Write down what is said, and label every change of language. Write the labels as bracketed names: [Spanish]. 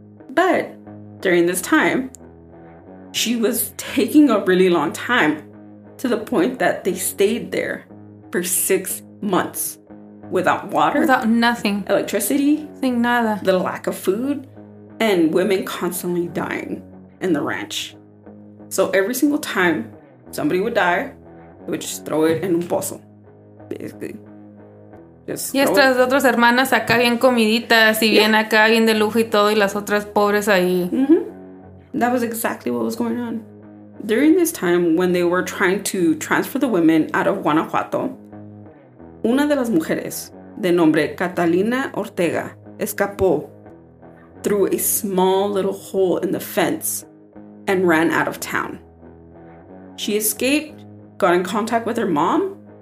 [English] But during this time, she was taking a really long time to the point that they stayed there for 6 months without water. Without nothing. Electricity. [Spanish] Sin nada. [English] The lack of food and women constantly dying in the ranch. So every single time... somebody would die, they would just throw it in [Spanish] un pozo, [English] basically. Just [Spanish] y estas otras hermanas acá bien comiditas y bien acá bien de lujo y todo y las otras pobres ahí. [English] Mm-hmm. That was exactly what was going on. During this time, when they were trying to transfer the women out of Guanajuato, [Spanish] una de las mujeres, de nombre Catalina Ortega, escapó [English] through a small little hole in the fence and ran out of town. She escaped, got in contact with her mom,